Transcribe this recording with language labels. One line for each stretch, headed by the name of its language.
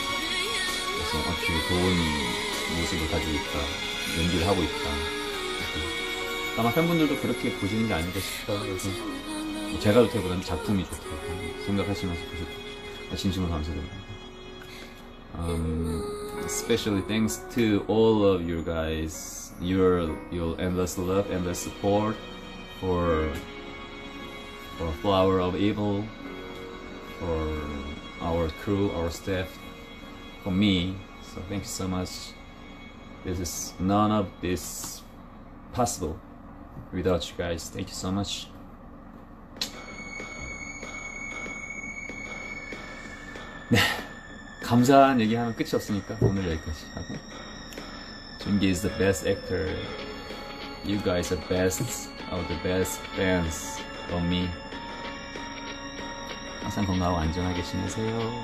Korean: 그래서 어떻게 좋은 모습을 가지고 있다, 연기를 하고 있다. 아마 팬분들도 그렇게 보시는 게 아닌가 싶어요. 그래서 제가 좋다기보다는 작품이 좋다고 생각하시면서 보셨다. 진심으로 감사드립니다.
English: Especially thanks to all of you guys, your endless love, endless support for Flower of Evil, for our crew, our staff, for me. So thank you so much. None of this possible without you guys. Thank you so much.
Korean: Gamsan, 얘기하면 끝이 없으니까 오늘 여기까지 하고.
English: Junkie is the best actor. You guys are best of the best fans for me.
Korean: 항상 건강하고 안전하게 지내세요.